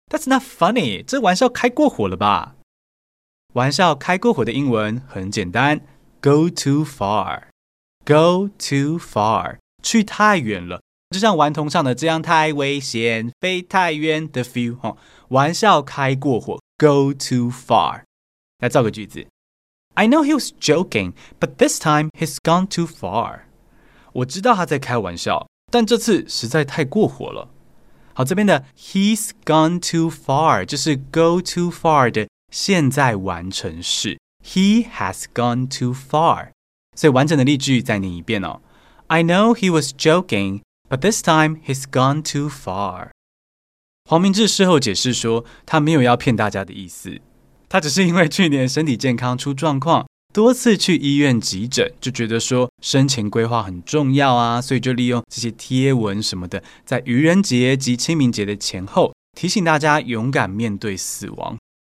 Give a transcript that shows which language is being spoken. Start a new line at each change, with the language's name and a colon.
English: That's not funny，
Chinese: 这玩笑开过火了吧。玩笑开过火的英文很简单，
English: Go too far， Go too far，
Chinese: 去太远了，就像顽童唱的这样，太危险飞太远的 feel、哦、玩笑开过火
English: go too far。
Chinese: 来造个句子，
English: I know he was joking but this time he's gone too far，
Chinese: 我知道他在开玩笑但这次实在太过火了。好，这边的
English: he's gone too far
Chinese: 就是 go too far 的现在完成式，
English: he has gone too far。
Chinese: 所以完整的例句再念一遍哦，
English: I know he was jokingBut this time, he's gone too far.
Chinese: 黄明志事后解释说，他没有要骗大家的意思，他只是因为去年身体健康出状况，多次去医院急诊，就觉得说生前规划很重要啊，所以就利用这些贴文什么的，在愚人节及清明节的前后，提醒大家勇敢面对死亡。